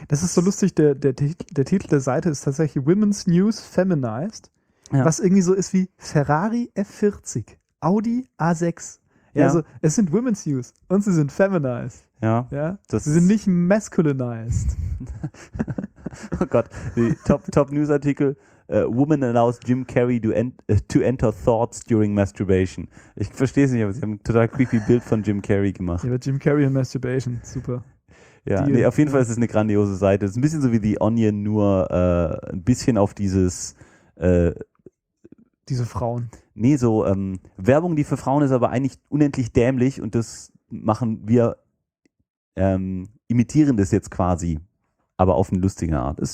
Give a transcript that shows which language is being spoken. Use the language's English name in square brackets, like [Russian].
[German] Das ist so lustig, der Titel der Seite ist tatsächlich Women's News Feminized, ja. Was irgendwie so ist wie Ferrari F40, Audi A6. Ja. Also es sind Women's News und sie sind feminized. Ja. Ja? Das sie sind nicht masculinized. Oh Gott, die Top News-Artikel. [English] Woman allows Jim Carrey to enter thoughts during masturbation. [German] Ich verstehe es nicht, aber sie haben ein total creepy Bild von Jim Carrey gemacht. Ja, Jim Carrey und Masturbation, super. Ja, nee, auf jeden Fall ist es eine grandiose Seite. Es ist ein bisschen so wie The Onion, nur ein bisschen auf dieses... diese Frauen. Nee, so Werbung, die für Frauen ist, aber eigentlich unendlich dämlich und das machen wir, imitieren das jetzt quasi, aber auf eine lustige Art.